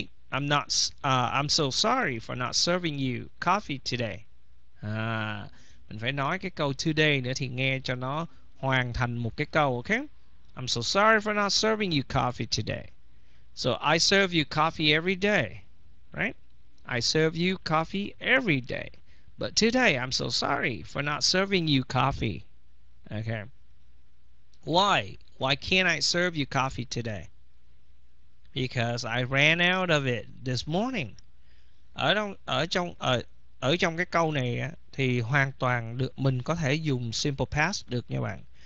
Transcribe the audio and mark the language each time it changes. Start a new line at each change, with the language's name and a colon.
English: I'm so sorry for not serving you coffee today.
Vietnamese: À, mình phải nói cái câu today nữa thì nghe cho nó hoàn thành một cái câu, okay?
English: I'm so sorry for not serving you coffee today. So I serve you coffee every day. Right? I serve you coffee every day. But today, I'm so sorry for not serving you coffee. Okay. Why? Why can't I serve you coffee today? Because I ran out of it this morning.
Vietnamese: Ở trong cái câu này á, thì hoàn toàn được mình có thể dùng simple past được nha bạn.